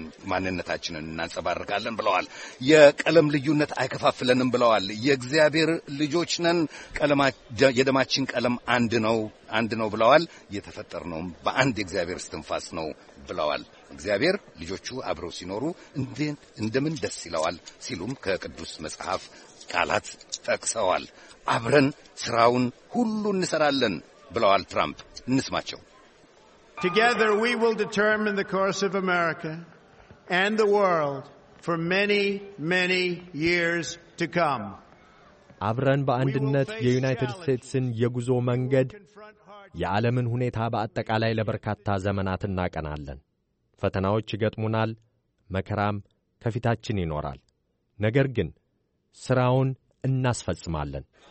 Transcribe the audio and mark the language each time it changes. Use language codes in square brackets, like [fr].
[am] ማንነታችንን እናንጸባርቃለን ብለዋል። የቀለም ልዩነት አይከፋፍለንም ብለዋል። የእግዚአብሔር ልጆች ነን፣ የደማችን ቀለም አንድ ነው ብለዋል። የተፈጠርነውም በአንድ እግዚአብሔር እስትንፋስ ነው ብለዋል። እግዚአብሔር ልጆቹ አብረው ሲኖሩ እንደምን ደስ ይለዋል ሲሉም ከቅዱስ መጽሐፍ ቃላት ጠቅሰዋል። አብረን ስራውን ሁሉ እንሰራለን ብለዋል ትራምፕ። እንስማቸው። [en] Together we will determine the course of America and the world for many, many years to come. [am] አብረን በአንድነት የዩናይትድ ስቴትስን የጉዞ መንገድ የዓለምን ሁኔታ በአጠቃላይ ለበርካታ ዘመናት እናቀናለን። ፈተናዎች ይገጥሙናል፣ መከራም ከፊታችን ይኖራል። ነገር ግን ሥራውን እናስፈጽማለን።